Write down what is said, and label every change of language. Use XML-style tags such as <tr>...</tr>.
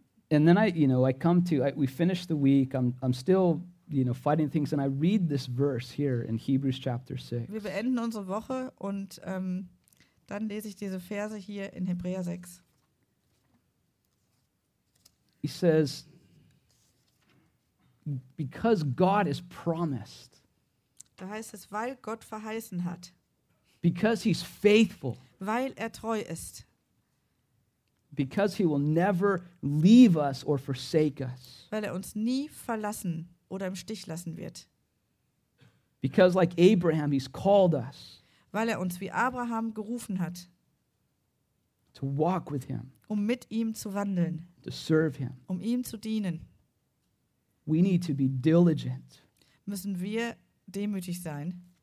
<en>And then we finish the week. I'm still, you know, fighting things, and I read this verse here in Hebrews chapter 6.</en> <de>Wir beenden unsere Woche und Dann lese ich diese Verse hier in Hebräer 6.</de> <en>He says, because God is promised.</en> <de>Da heißt es, weil Gott verheißen hat.</de> <en>Because he's faithful.</en> <de>Weil er treu ist.</de> <en>Because he will never leave us or forsake us.</en> <de>Weil er uns nie verlassen oder im Stich lassen wird.</de> <en>Because like Abraham, he's called us.</en> <de>Weil er uns wie Abraham gerufen hat.</de> <en>To walk with him.</en> <de>Um mit ihm zu wandeln.</de> <en>To serve him.</en> <de>Um ihm zu dienen.</de> <en>We need to be diligent.</en> <de>Müssen wir demütig sein.</de>